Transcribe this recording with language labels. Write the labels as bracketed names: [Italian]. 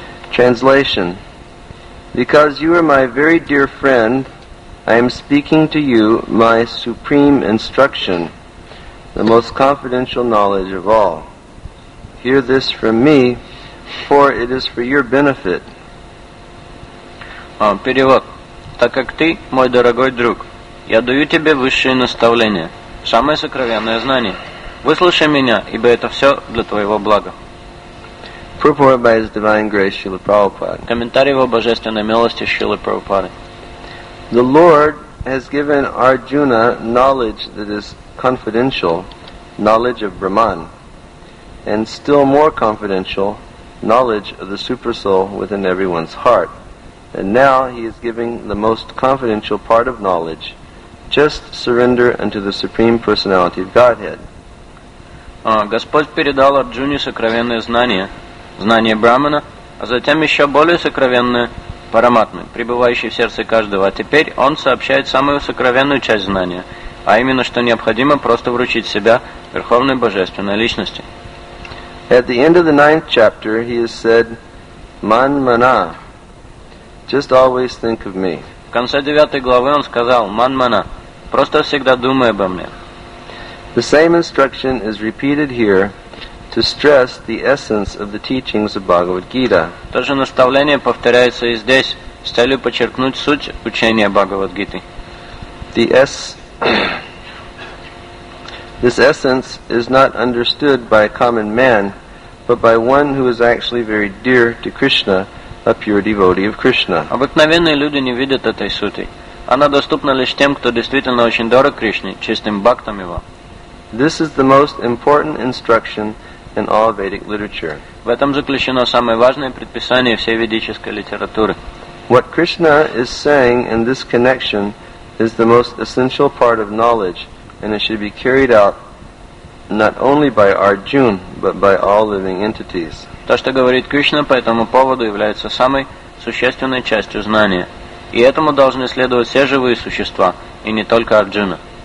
[English] Translation Because you are my very dear friend I am speaking to you my supreme instruction, the most confidential knowledge of all. Hear this from me, for it is for your benefit. [Russian] Перевод. Так как ты, мой дорогой друг, я даю тебе высшее наставление, самое сокровенное знание. Выслушай меня, ибо это все для твоего блага. [English] Purport by His Divine Grace Srila Prabhupada. [Russian] Комментарий его божественной милости Шрилы Прабхупады. [English] The Lord has given Arjuna knowledge that is confidential, knowledge of Brahman, and still more confidential, knowledge of the Supersoul within everyone's heart. And now he is giving the most confidential part of knowledge, just surrender unto the Supreme Personality of Godhead. [Russian] Господь передал Арджуне сокровенное знание, знание Брахмана, а затем еще более сокровенное Параматмы, пребывающий в сердце каждого, а теперь он сообщает самую сокровенную часть знания, а именно, что необходимо просто вручить себя Верховной Божественной Личности. [English] At the end of the ninth chapter, he has said, Man Mana, just always think of me. [Russian] В конце девятой главы он сказал, Man Mana, просто всегда думай обо мне. [English] The same instruction is repeated here, to stress the essence of the teachings of Bhagavad Gita. [Russian] То же наставление повторяется и здесь, с целью подчеркнуть суть учения Бхагавад Гиты. [English] This essence is not understood by a common man, but by one who is actually very dear to Krishna, a pure devotee of Krishna. [Russian] Обыкновенные люди не видят этой сути. Она доступна лишь тем, кто действительно очень дорог Кришне, чистым бхактам его. [English] This is the most important instruction in all Vedic literature. [Russian] В этом заключено самое важное предписание всей ведической литературы. [English] What Krishna is saying in this connection is the most essential part of knowledge, and it should be carried out not only by Arjuna, but by all living entities. [Russian] То, что говорит Кришна по этому поводу, является самой существенной частью знания. И этому должны следовать все живые существа, и не только Арджуна.